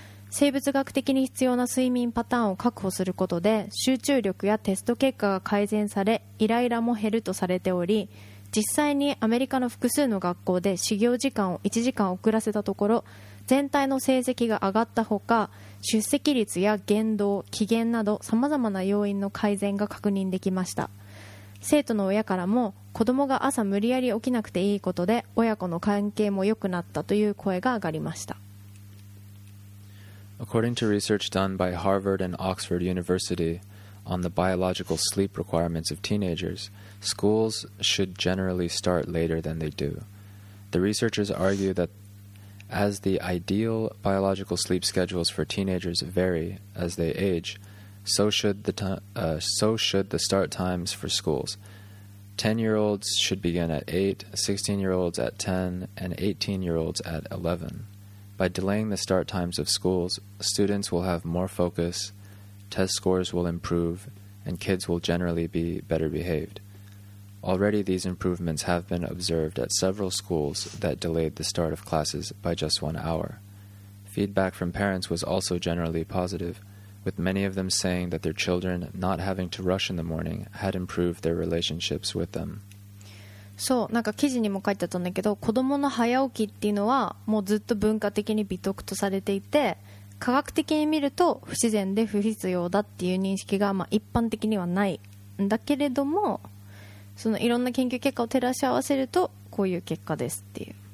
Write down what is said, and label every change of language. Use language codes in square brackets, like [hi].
[ja] 生物学的に必要な睡眠パターンを確保することで集中力やテスト結果が改善され、イライラも減るとされており、実際にアメリカの複数の学校で始業時間を1時間遅らせたところ、全体の成績が上がったほか、出席率や言動、機嫌などさまざまな要因の改善が確認できました。生徒の親からも子供が朝無理やり起きなくていいことで親子の関係も良くなったという声が上がりました。 [en] According to research done by Harvard and Oxford University on the biological sleep requirements of teenagers, schools should generally start later than they do. The researchers argue that as the ideal biological sleep schedules for teenagers vary as they age, so should the start times for schools. 10-year-olds should begin at 8, 16-year-olds at 10, and 18-year-olds at 11. By delaying the start times of schools, students will have more focus, test scores will improve, and kids will generally be better behaved. Already, these improvements have been observed at several schools that delayed the start of classes by just 1 hour. Feedback from parents was also generally positive, with many of them saying that their children not having to rush in the morning had improved their relationships with them. [ja] そう、なんか記事にも書いてあったんだけど、子どもの早起きっていうのはもうずっと文化的に美徳とされていて、科学的に見ると不自然で不必要だっていう認識がまあ一般的にはないんだけれども、そのいろんな研究結果を照らし合わせるとこういう結果ですっていう。